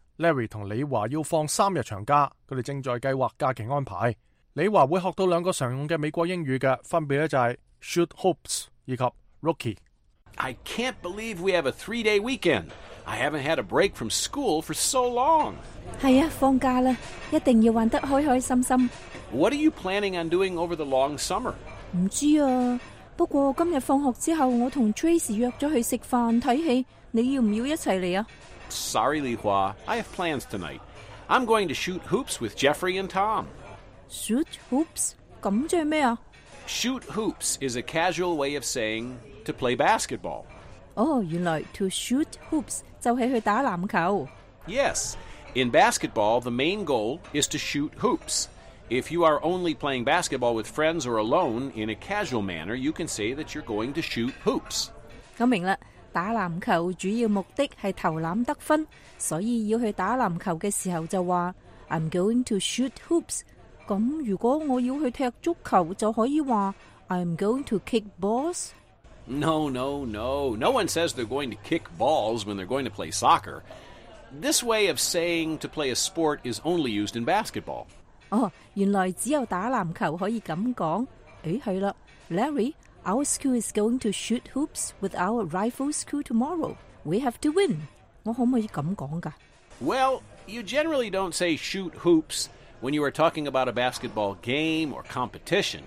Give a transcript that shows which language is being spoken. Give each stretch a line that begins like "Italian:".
Cantonese: Larry 和李华要放3日长假，他们正在计划假期安排。李华会学到两个常用的美国英语的，分别就是 shoot hoops 以及 rookie。
English: I can't believe we have a 3-day weekend. I haven't had a break from school for so long.
Cantonese: 是啊，放假了，一定要玩得开开心心。
English: What are you planning on doing over the long summer?
Cantonese: 不知道啊，不过今天放学之后，我和 Tracy 约了去吃饭看戏，你要不要一起来啊？
English: Sorry, Li Hua, I have plans tonight. I'm going to shoot hoops with Jeffrey and Tom.
Cantonese: Shoot hoops? 那是什么？
English: Shoot hoops is a casual way of saying... to play basketball.
Cantonese: Oh, 原来 to shoot hoops 就是去打篮球。
English: Yes, In basketball, the main goal is to shoot hoops. If you are only playing basketball with friends or alone in a casual manner, you can say that you're going to shoot hoops.
Cantonese: 我明白了，打篮球主要目的是投篮得分，所以要去打篮球的时候就说 I'm going to shoot hoops。那如果我要去踢足球就可以说 I'm going to kick balls。
English: No. No one says they're going to kick balls when they're going to play soccer. This way of saying to play a sport is only used in basketball.
Cantonese: Oh, 原来只有打篮球可以这样说。
English: 是了 ,Larry, our school is going to shoot hoops with our rival school tomorrow.
Cantonese: We have to win. 我可不可以这样说的?
English: Well, you generally don't say shoot hoops when you are talking about a basketball game or competition.